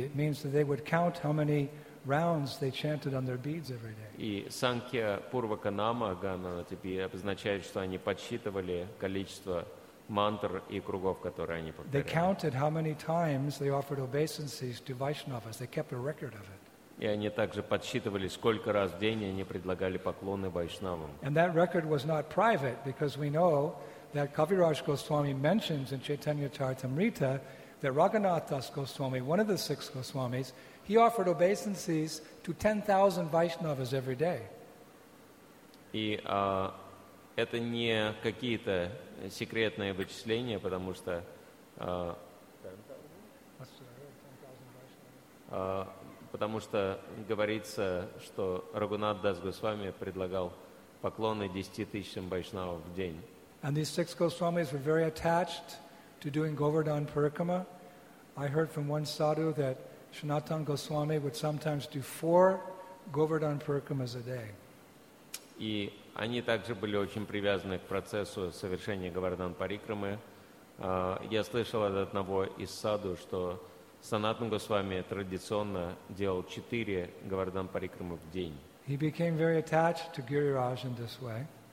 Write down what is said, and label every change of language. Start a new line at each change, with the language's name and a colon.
English: It means that they would count how many rounds they chanted on their beads every day.
Russian: И
Sanskrit: Sankhya Purvaka Nama Gana Nati B
Russian: обозначает, что они подсчитывали количество мантр и кругов, которые они повторяли.
English: They counted how many times they offered obeisances to Vaishnavas. They kept a record of it.
Russian: И они также подсчитывали, сколько раз в день они предлагали поклоны вайшнавам.
English: And that record was not private, because we know that Kaviraj Goswami mentions in Chaitanya Charitamrita that Raghunath Das Goswami, one of the six Goswamis, he offered obeisances to 10,000 Vaishnavas every day.
Russian: И это не какие-то секретные вычисления, потому что говорится, что Рагунат Дас Госвами предлагал поклоны 10,000 вайшнавам в день.
English: And these six Goswamis were very attached to doing Govardhan Parikrama. I heard from one sadhu that Sanatana Goswami would sometimes do 4 Govardhan Parikramas a day.
Russian: И они также были очень привязаны к процессу совершения Говардан Парикрамы. Я слышал от одного из садху, что Санатан Госвами традиционно делал 4 Говардан Парикрамы в день.
English: He became very attached to Гирирадж in this way.